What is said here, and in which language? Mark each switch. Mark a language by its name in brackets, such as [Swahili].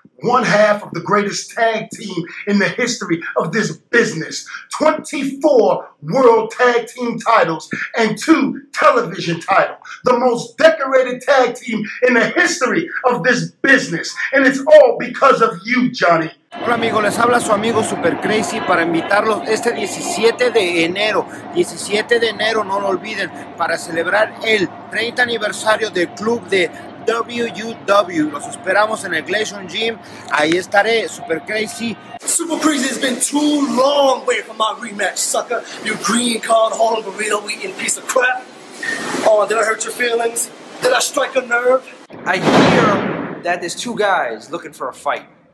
[English] One half of the greatest tag team in the history of this business. 24 world tag team titles and 2 television titles. The most decorated tag team in the history of this business. And it's all because of you, Johnny. [Spanish] Hola amigo, les habla su amigo Super Crazy para invitarlos este 17 de enero. 17 de enero, no lo olviden, para celebrar el 30 aniversario del club de WUW. Los esperamos en el Glacier Gym. Ahí estaré, Super Crazy. [English] Super Crazy, it's been too long waiting for my rematch, sucker. Your green card, Hall of Burrito eating piece of crap. Oh, did I hurt your feelings? Did I strike a nerve? I hear that there's 2 guys looking for a fight.